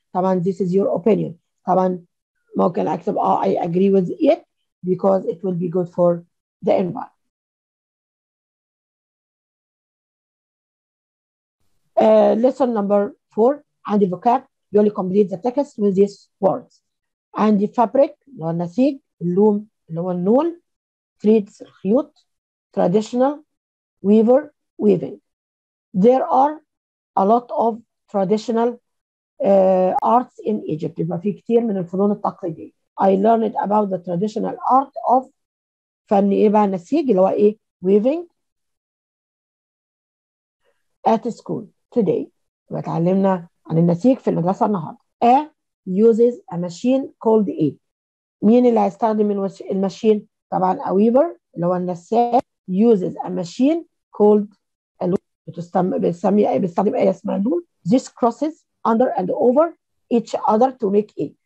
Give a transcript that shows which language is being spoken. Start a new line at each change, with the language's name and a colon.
English: طبعا this is your opinion.
Arabic: طبعا ممكن اكتب
English: I agree with it because it will be good for the environment. Lesson number 4
Arabic: عندي
English: vocab
Arabic: يقول لي
English: complete the text with these words.
Arabic: عندي fabric اللي هو النسيج، loom اللي هو النول، threads الخيوط، traditional، weaver weaving.
English: There are a lot of traditional arts in Egypt.
Arabic: يبقى في كتير من الفنون التقليدية.
English: I learned about the traditional art of
Arabic: فن ايه بقى النسيج اللي هو ايه
English: weaving at school.
Arabic: Today, وتعلمنا عن النسيج في المدرسة النهاردة.
English: A uses a machine called A.
Arabic: مين اللي هيستخدم المشين؟ طبعا
English: a weaver
Arabic: اللي هو النساج
English: uses a machine called a loom.
Arabic: بيستخدم
English: A
Arabic: اسمها
English: loom. This crosses under and over each other to make A.